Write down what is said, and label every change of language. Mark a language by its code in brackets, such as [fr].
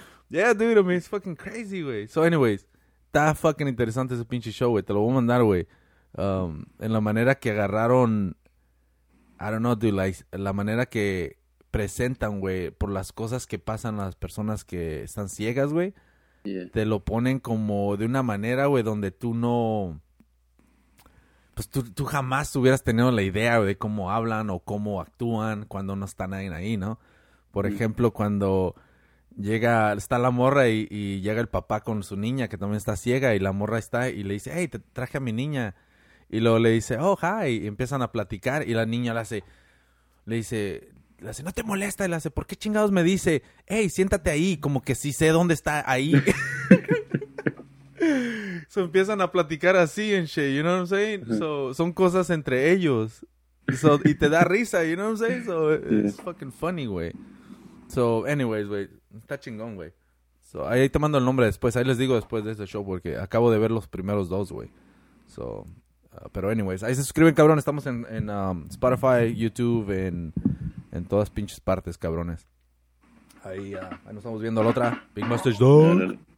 [en] Yeah, dude, I mean, it's fucking crazy, güey. [es] So, anyways, está fucking interesante ese pinche show, güey. Te lo voy a mandar, güey. En la manera que agarraron, [en] I don't know, dude, like, [es] la manera que presentan, güey, por las cosas que pasan a las personas que están ciegas, güey. Yeah. Te lo ponen como de una manera, güey, donde tú no... Pues tú jamás hubieras tenido la idea, güey, de cómo hablan o cómo actúan cuando no está nadie ahí, ¿no? Por ejemplo, cuando... Llega, está la morra y llega el papá con su niña, que también está ciega, y la morra está y le dice, hey, te traje a mi niña. Y luego le dice, [en] oh, hi, [es] y empiezan a platicar. Y la niña le dice, no te molesta. Y le hace, ¿por qué chingados me dice? Hey, siéntate ahí, como que sí sé dónde está ahí. So empiezan a platicar así en [en] shit, you know what I'm saying? Uh-huh. [es] So, son cosas entre ellos. [en] So, [es] y te da risa, [en] you know what I'm saying? So, it's fucking funny, güey. So, anyways, [es] güey, está chingón, güey. So, ahí te mando el nombre después, ahí les digo después de este show, porque acabo de ver los primeros dos, güey. So, pero anyways, ahí se suscriben, cabrón, estamos en Spotify, YouTube, en todas pinches partes, cabrones. Ahí nos estamos viendo la otra. Big Mustache Dog.